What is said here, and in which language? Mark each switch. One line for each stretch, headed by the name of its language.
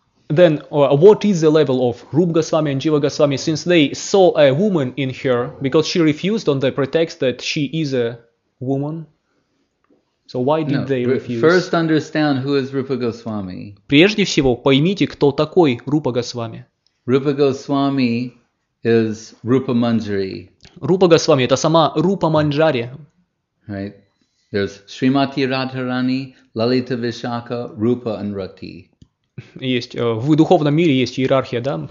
English: Then, what is the level of Rupa Goswami and Jiva Goswami since they saw a woman in her because she refused on the pretext that she is a woman? So why did they refuse? First understand who is Rupa Goswami.
Russian: Прежде всего, поймите, кто такой Рупа Госвами.
English: Rupa Goswami is Rupa Manjari.
Russian: Рупа Госвами – это сама Рупа Манджари.
English: Right. There's Shrimati Radharani, Lalita Vishaka, Rupa and Rati.
Russian: Есть в духовном мире есть иерархия, да?